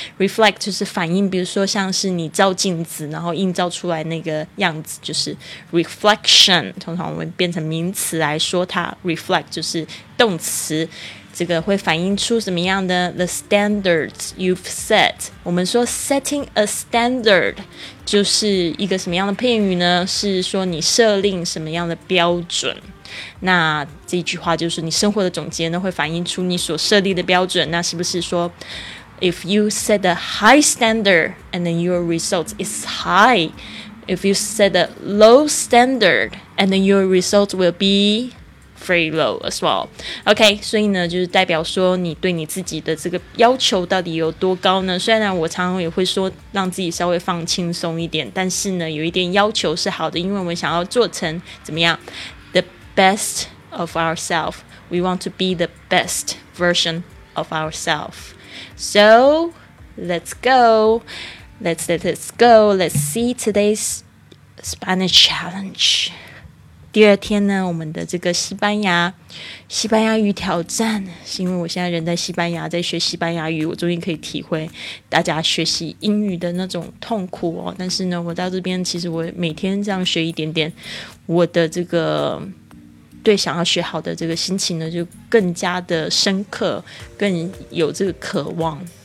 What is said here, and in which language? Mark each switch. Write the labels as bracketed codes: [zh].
[zh] Reflect 就是反映，比如说像是你照镜子然后映照出来那个样子，就是 reflection, 通常我们变成名词来说它。 Reflect 就是动词，这个会反映出什么样的 The standards you've set. 我们说 setting a standard 就是一个什么样的片语呢？是说你设定什么样的标准。 [en] 那这句话就是你生活的总结呢会反映出你所设立的标准。那是不是说 If you set a high standard and then your result is high, If you set a low standard and then your result will be very low as well. [zh] OK, 所以呢就是代表说你对你自己的这个要求到底有多高呢？虽然我常常也会说让自己稍微放轻松一点，但是呢有一点要求是好的，因为我们想要做成怎么样 best of ourselves. [en] We want to be the best version of ourselves. So, let's go. Let's go. Let's see today's Spanish challenge. [zh] 第二天呢，我们的这个西班牙语挑战，是因为我现在人在西班牙，在学西班牙语，我终于可以体会大家学习英语的那种痛苦哦。但是呢，我到这边，其实我每天这样学一点点，我的这个对想要学好的这个心情呢就更加的深刻，更有这个渴望。